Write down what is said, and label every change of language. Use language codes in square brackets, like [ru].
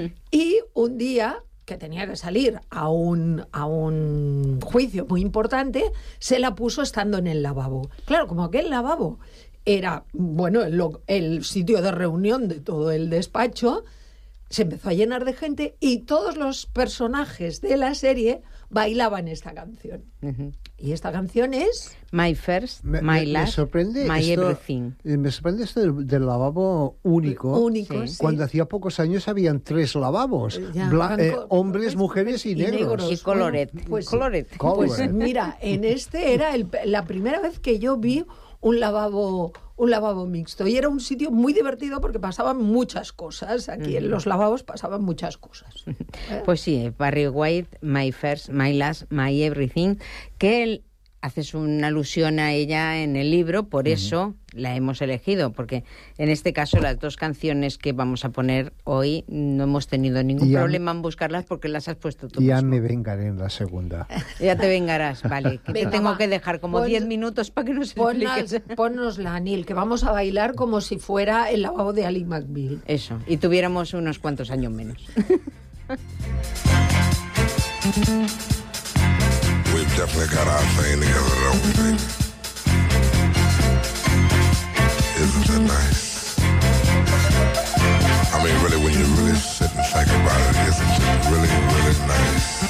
[es] Y un día, que tenía que salir a un juicio muy importante, se la puso estando en el lavabo. Claro, como aquel lavabo era, bueno, el sitio de reunión de todo el despacho, se empezó a llenar de gente y todos los personajes de la serie bailaban esta canción. Uh-huh. Y esta canción es... [en] My First, My Last, My Everything. [es] Me sorprende esto del lavabo único. Único, sí. Cuando hacía pocos años habían tres lavabos. Hombres, mujeres y negros. Y coloret. Pues mira, en este era la primera vez que yo vi un lavabo mixto. Y era un sitio muy divertido porque pasaban muchas cosas. Aquí en los lavabos pasaban muchas cosas. Pues sí, Barry White, My First, My Last, My Everything. Que haces una alusión a ella en el libro, por eso la hemos elegido. Porque en este caso las dos canciones que vamos a poner hoy no hemos tenido ningún problema en buscarlas porque las has puesto tú. Ya me vengaré en la segunda. Ya te vengarás, vale. Que te tengo que dejar como 10 minutos para que nos expliques. Pónnosla, Neil, que vamos a bailar como si fuera el lavabo de Ally McBeal. Eso, y tuviéramos unos cuantos años menos. [en] Definitely got our thing together, don't we think? Isn't it nice? I mean, really, when you really sit and think about it, isn't it really, really nice?